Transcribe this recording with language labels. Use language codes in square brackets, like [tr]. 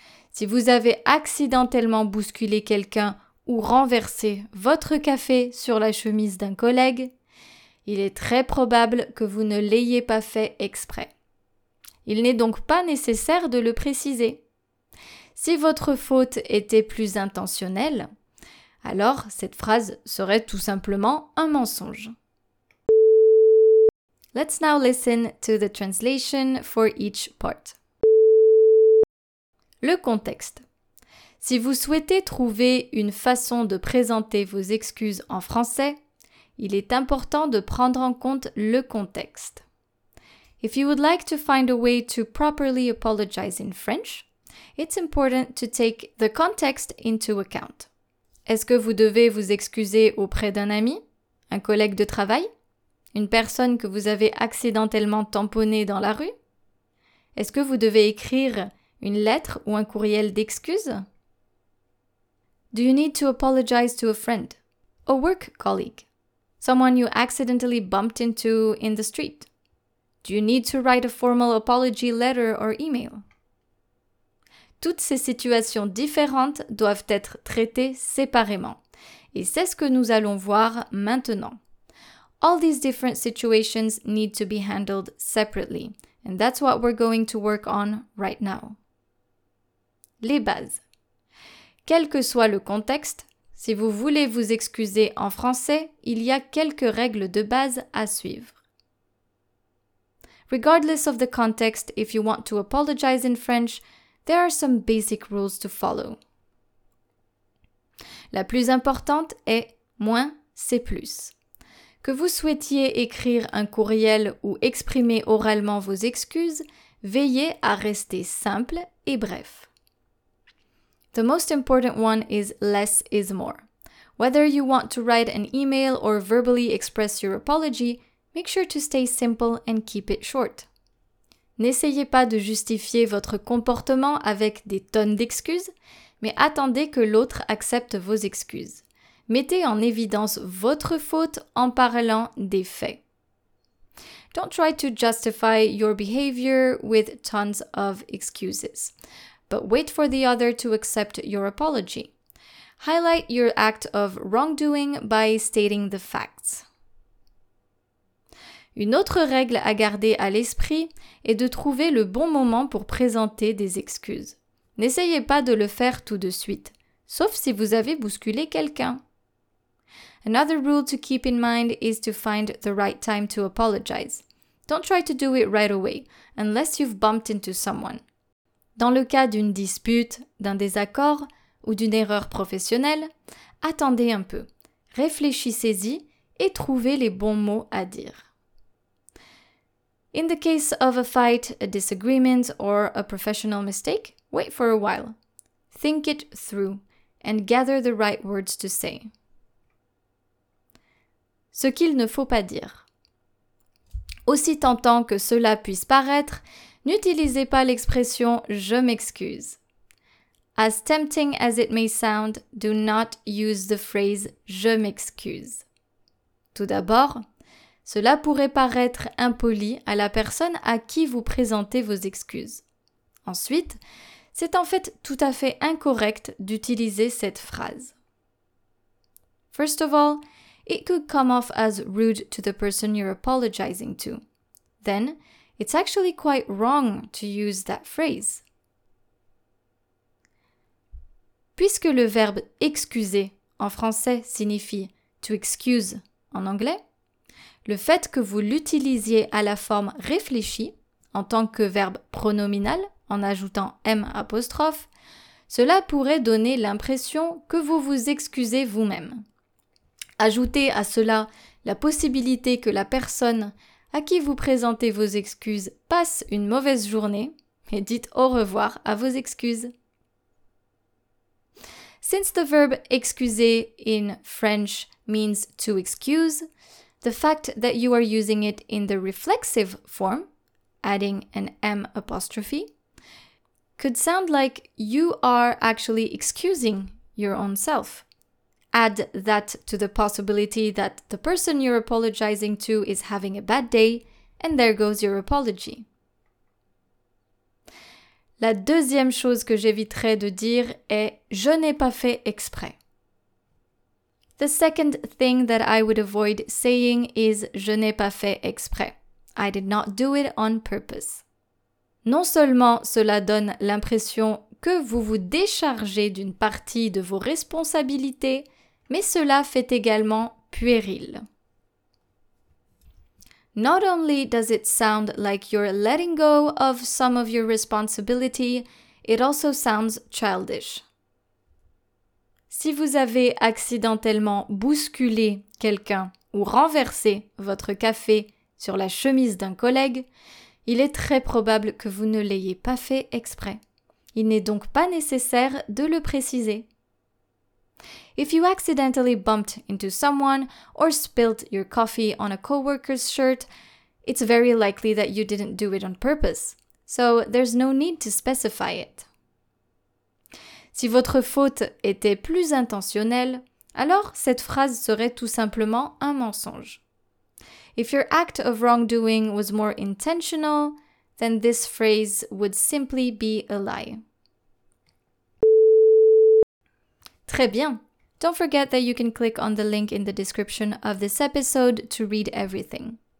[fr] Si vous avez accidentellement bousculé quelqu'un ou renversé votre café sur la chemise d'un collègue, il est très probable que vous ne l'ayez pas fait exprès. Il n'est donc pas nécessaire de le préciser. Si votre faute était plus intentionnelle, alors cette phrase serait tout simplement un mensonge. [en] Let's now listen to the translation for each part. [fr] Le contexte. Si vous souhaitez trouver une façon de présenter vos excuses en français, il est important de prendre en compte le contexte. [en] If you would like to find a way to properly apologize in French, it's important to take the context into account. [fr] Est-ce que vous devez vous excuser auprès d'un ami, un collègue de travail, une personne que vous avez accidentellement tamponnée dans la rue? Est-ce que vous devez écrire une lettre ou un courriel d'excuse? [en] Do you need to apologize to a friend, a work colleague, someone you accidentally bumped into in the street? Do you need to write a formal apology letter or email? [fr] Toutes ces situations différentes doivent être traitées séparément. Et c'est ce que nous allons voir maintenant. [en] All these different situations need to be handled separately. And that's what we're going to work on right now. [fr] Les bases. Quel que soit le contexte, si vous voulez vous excuser en français, il y a quelques règles de base à suivre. Regardless of the context, if you want to apologize in French, there are some basic rules to follow. La plus importante est « moins, c'est plus ». Que vous souhaitiez écrire un courriel ou exprimer oralement vos excuses, veillez à rester simple et bref. [en] The most important one is « less is more ». Whether you want to write an email or verbally express your apology, make sure to stay simple and keep it short. [fr] N'essayez pas de justifier votre comportement avec des tonnes d'excuses, mais attendez que l'autre accepte vos excuses. Mettez en évidence votre faute en parlant des faits. [en] Don't try to justify your behavior with tons of excuses, but wait for the other to accept your apology. Highlight your act of wrongdoing by stating the facts. [fr] Une autre règle à garder à l'esprit est de trouver le bon moment pour présenter des excuses. N'essayez pas de le faire tout de suite, sauf si vous avez bousculé quelqu'un. [en] Another rule to keep in mind is to find the right time to apologize. Don't try to do it right away, unless you've bumped into someone. [fr] Dans le cas d'une dispute, d'un désaccord ou d'une erreur professionnelle, attendez un peu, réfléchissez-y et trouvez les bons mots à dire. [en] In the case of a fight, a disagreement, or a professional mistake, wait for a while. Think it through and gather the right words to say. [fr] Ce qu'il ne faut pas dire. Aussi tentant que cela puisse paraître, n'utilisez pas l'expression « je m'excuse ». [en] As tempting as it may sound, do not use the phrase « [fr] je m'excuse ». Tout d'abord, cela pourrait paraître impoli à la personne à qui vous présentez vos excuses. Ensuite, c'est en fait tout à fait incorrect d'utiliser cette phrase. [en] First of all, it could come off as rude to the person you're apologizing to. Then, it's actually quite wrong to use that phrase. [fr] Puisque le verbe excuser en français signifie [en] to excuse [fr] en anglais, le fait que vous l'utilisiez à la forme réfléchie, en tant que verbe pronominal, en ajoutant M apostrophe, cela pourrait donner l'impression que vous vous excusez vous-même. Ajoutez à cela la possibilité que la personne à qui vous présentez vos excuses passe une mauvaise journée et dites au revoir à vos excuses. [en] Since the verb excuser in French means to excuse, the fact that you are using it in the reflexive form, adding an M apostrophe, could sound like you are actually excusing your own self. Add that to the possibility that the person you're apologizing to is having a bad day, and there goes your apology. [fr] La deuxième chose que j'éviterais de dire est « je n'ai pas fait exprès ». [en] The second thing that I would avoid saying is « [fr] je n'ai pas fait exprès ». [en] I did not do it on purpose. [fr] Non seulement cela donne l'impression que vous vous déchargez d'une partie de vos responsabilités, mais cela fait également puéril. [en] Not only does it sound like you're letting go of some of your responsibility, it also sounds childish. [fr] Si vous avez accidentellement bousculé quelqu'un ou renversé votre café sur la chemise d'un collègue, il est très probable que vous ne l'ayez pas fait exprès. Il n'est donc pas nécessaire de le préciser. [en] If you accidentally bumped into someone or spilled your coffee on a coworker's shirt, it's very likely that you didn't do it on purpose. so there's no need to specify it. [fr] Si votre faute était plus intentionnelle, alors cette phrase serait tout simplement un mensonge. [en] If your act of wrongdoing was more intentional, then this phrase would simply be a lie. [fr] Très bien! [en] Don't forget that you can click on the link in the description of this episode to read everything.